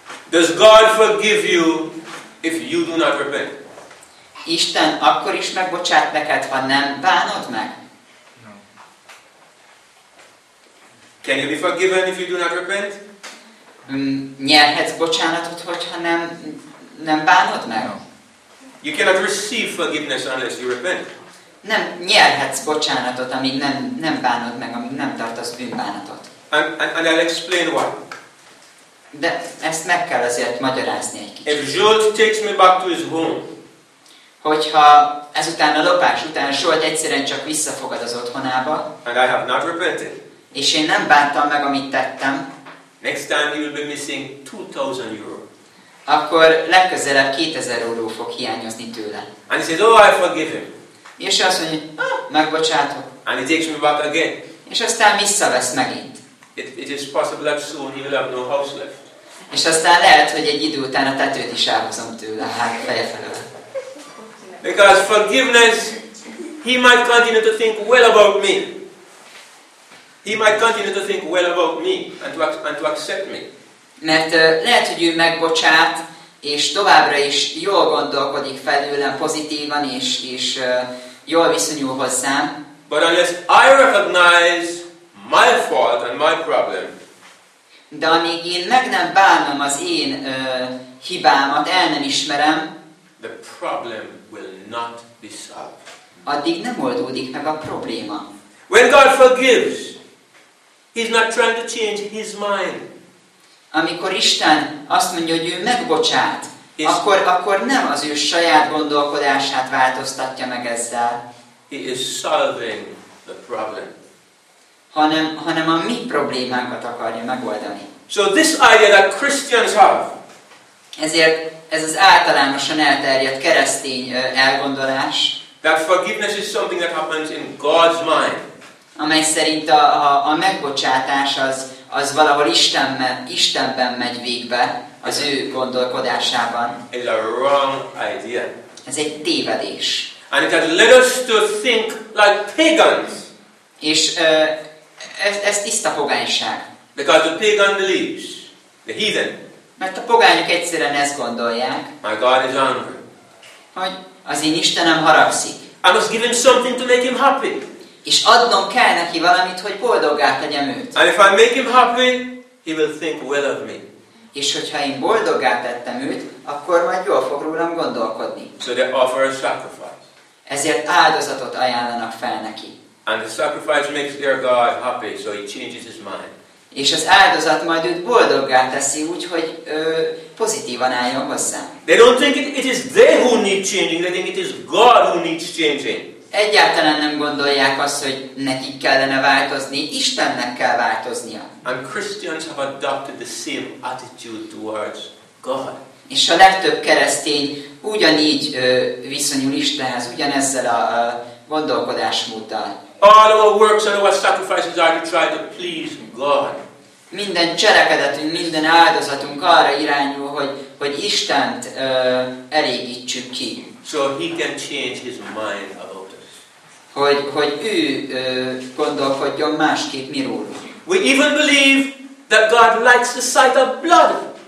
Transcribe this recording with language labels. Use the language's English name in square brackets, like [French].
[English] Does God forgive you if you do not repent? [Hungarian] Isten akkor is megbocsát neked, ha nem bánod meg. [English] Can you be forgiven if you do not repent? [Hungarian] Nyerhetsz bocsánatot, hogyha nem bánod meg? [English] No. You cannot receive forgiveness unless you repent. [Hungarian] Nem nyerhetsz bocsánatot, amíg nem bánod meg, amíg nem tartasz bűnbánatot. [English] And I'll explain why. [Hungarian] De ezt meg kell azért magyarázni egy kicsit. [English] If Zsolt takes me back to his home. [Hungarian] Hogyha ezután a lopás után Zsolt egyszerűen csak visszafogad az otthonába. [English] And I have not repented. [Hungarian] És én nem bántam meg, amit tettem. [English] Next time you will be missing 2000 euro. [Hungarian] Akkor legközelebb 2000 euró fog hiányozni tőle. [English] And he says, oh, I forgive him. [Hungarian] És azt mondja, megbocsátok. [English] And he takes me back again. [Hungarian] És aztán visszavesz megint. [English] It is possible that soon he will have no house left. [Hungarian] És aztán lehet, hogy egy idő után a tetőt is elhozom tőle, hát feje felől. [English] Because forgiveness, he might continue to think well about me. He might continue to think well about me and to accept me. [Hungarian] Mert lehet, hogy ő megbocsát, és továbbra is jól gondolkodik felőlem pozitívan, és jól viszonyul hozzám. [English] But unless I recognize my fault and my problem. [Hungarian] De amíg én meg nem bánom az én hibámat, el nem ismerem. [English] The problem will not be solved. [Hungarian] Addig nem oldódik meg a probléma. [English] When God forgives, he's not trying to change his mind. [Hungarian] Amikor Isten azt mondja, hogy ő megbocsát, akkor nem az ő saját gondolkodását változtatja meg ezzel. [English] He is solving the problem. [Hungarian] Hanem a mi problémánkat akarja megoldani. [English] So this idea that Christians have. [Hungarian] Ezért ez az általánosan elterjedt keresztény elgondolás. [English] That forgiveness is something that happens in God's mind. [Hungarian] Amely szerint a megbocsátás az valahol Istenben megy végbe, az ő gondolkodásában. [English] It's a wrong idea. [Hungarian] Ez egy tévedés. [English] And it has led us to think like pagans. [Hungarian] És ez tiszta pogányság. [English] Because the pagan believes, the heathen. [Hungarian] Mert a pogányok egyszerűen ezt gondolják. [English] My God is angry. [Hungarian] Hogy az én Istenem haragszik. [English] I must give him something to make him happy. [Hungarian] És adnom kell neki valamit, hogy boldoggá tegyem őt. [English] And if I make him happy, he will think well of me. [Hungarian] És hogyha én boldoggá tettem őt, akkor majd jól fog rólam gondolkodni. [English] So they offer a sacrifice. [Hungarian] Ezért áldozatot ajánlanak fel neki. [English] And the sacrifice makes their God happy, so he changes his mind. [Hungarian] És az áldozat majd őt boldoggá teszi, úgyhogy pozitívan álljon hozzá. [English] They don't think it is they who need changing, they think it is God who needs changing. [Hungarian] Egyáltalán nem gondolják azt, hogy nekik kellene változni, Istennek kell változnia. [English] And Christians have adopted the same attitude towards God. [Hungarian] És a legtöbb keresztény ugyanígy viszonyul Istenhez, ugyanezzel a gondolkodásmóddal. [English] All of our works and our sacrifices are to try to please God. [Hungarian] Minden cselekedetünk, minden áldozatunk arra irányul, hogy Istent elégítsük ki. [English] So he can change his mind about us. [Hungarian] Hogy ő gondolkodjon másképp mi rólunk. [English] We even believe that God likes the sight of blood.